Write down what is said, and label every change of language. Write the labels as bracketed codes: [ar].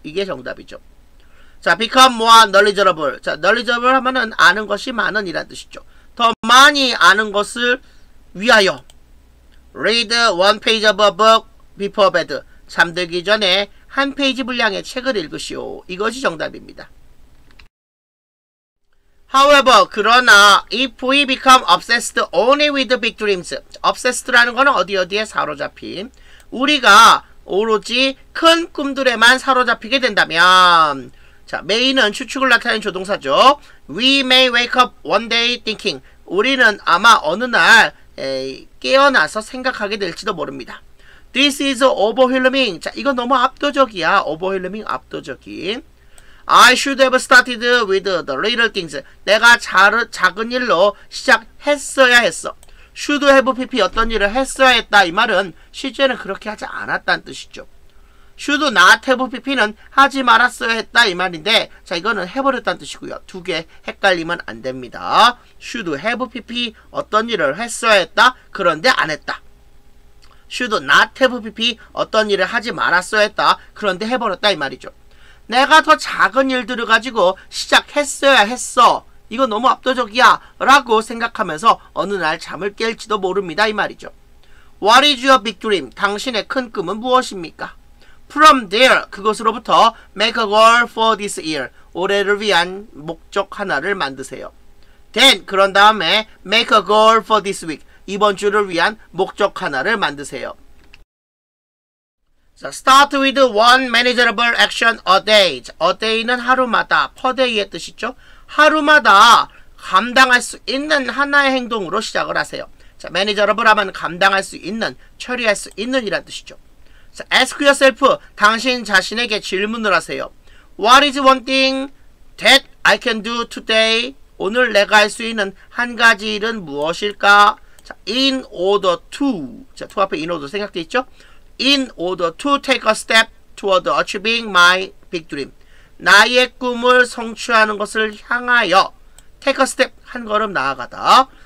[ko] 이게 정답이죠. 자, [en] become more knowledgeable. [ko] 자, knowledgeable 하면은 아는 것이 많은 이란 뜻이죠. 더 많이 아는 것을 위하여 [en] read one page of a book before bed. [ko] 잠들기 전에 한 페이지 분량의 책을 읽으시오. 이것이 정답입니다. [en] However, [ko] 그러나 [en] if we become obsessed only with big dreams. [ko] Obsessed라는 거는 어디 어디에 사로잡힌, 우리가 오로지 큰 꿈들에만 사로잡히게 된다면, 자, may는 추측을 나타내는 조동사죠. [en] We may wake up one day thinking. [ko] 우리는 아마 어느 날 깨어나서 생각하게 될지도 모릅니다. [en] This is overwhelming. [ko] 자, 이건 너무 압도적이야. [en] Overwhelming, 압도적인. I should have started with the little things. [ko] 내가 작은 일로 시작했어야 했어. [en] Should have PP [ko] 어떤 일을 했어야 했다. 이 말은 실제는 그렇게 하지 않았다는 뜻이죠. [en] Should not have PP [ko] 는 하지 말았어야 했다 이 말인데, 자, 이거는 해버렸다는 뜻이고요. 두 개 헷갈리면 안 됩니다. [en] Should have PP [ko] 어떤 일을 했어야 했다, 그런데 안 했다. [en] Should not have PP [ko] 어떤 일을 하지 말았어야 했다, 그런데 해버렸다 이 말이죠. 내가 더 작은 일들을 가지고 시작했어야 했어. 이거 너무 압도적이야 라고 생각하면서 어느 날 잠을 깰지도 모릅니다 이 말이죠. [en] What is your big dream? [ko] 당신의 큰 꿈은 무엇입니까? [en] From there, [ko] 그것으로부터 [en] make a goal for this year. [ko] 올해를 위한 목적 하나를 만드세요. [en] Then, [ko] 그런 다음에 [en] make a goal for this week. [ko] 이번 주를 위한 목적 하나를 만드세요. [en] So, start with one manageable action a day. [ko] A day는 하루마다, per day의 뜻이죠. 하루마다 감당할 수 있는 하나의 행동으로 시작을 하세요. 자, manageable 하면 감당할 수 있는, 처리할 수 있는 이란 뜻이죠. [en] So, ask yourself, [ko] 당신 자신에게 질문을 하세요. [en] What is one thing that I can do today? [ko] 오늘 내가 할 수 있는 한 가지 일은 무엇일까? 자, [en] in order to, [ko] 자, to 앞에 in order 생각되어 있죠? [en] In order to take a step toward achieving my big dream. [ko] 나의 꿈을 성취하는 것을 향하여, [en] take a step, [ko] 한 걸음 나아가다.